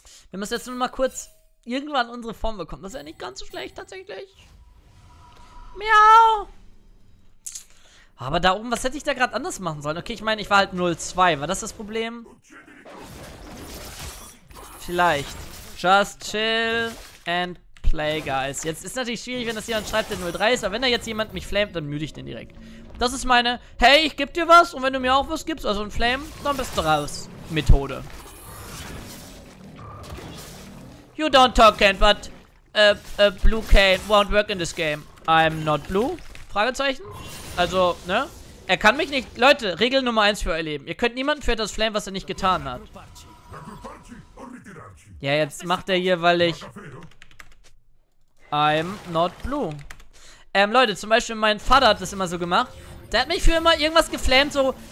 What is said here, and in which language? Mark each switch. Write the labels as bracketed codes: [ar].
[de] Wir müssen jetzt nur mal kurz irgendwann unsere Form bekommen. Das ist ja nicht ganz so schlecht, tatsächlich. Miau! Aber da oben, was hätte ich da gerade anders machen sollen? Okay, ich meine, ich war halt 0-2. War das das Problem? Vielleicht. [en] Just chill and play, guys. [de] Jetzt ist natürlich schwierig, wenn das jemand schreibt, der 03 ist. Aber wenn da jetzt jemand mich flamet, dann müde ich den direkt. Das ist meine, hey, ich geb dir was. Und wenn du mir auch was gibst, also ein Flame, dann bist du raus. Methode. [en] You don't talk, Kent, but a blue cane won't work in this game. I'm not blue? [de] Fragezeichen? Also, ne? Er kann mich nicht... Leute, Regel Nummer 1 für euer Leben. Ihr könnt niemanden für etwas flamen, was er nicht getan hat. Ja, jetzt macht er hier, weil ich... [en] I'm not blue. [de] Leute, zum Beispiel mein Vater hat das immer so gemacht. Der hat mich für immer irgendwas geflamed, so...